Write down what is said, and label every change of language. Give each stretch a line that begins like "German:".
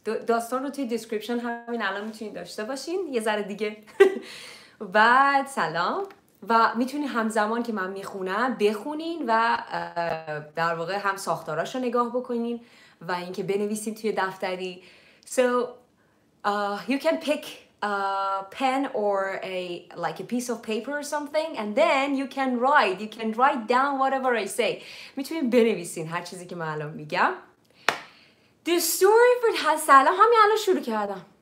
Persian: داستان رو توی دیسکریپشن همین الان میتونین داشته باشین یه ذره دیگه. بعد سلام و میتونین همزمان که من میخونم بخونین و در واقع هم ساختاراشو نگاه بکنین و اینکه بنویسین توی دفتری.
English: So you can pick a pen or a like a piece of paper or something and then you can write. You can write down whatever I say.
Persian: میتونین بنویسین هر چیزی که من الان میگم.
English: The story for
Persian: سلام همین الان شروع کردم.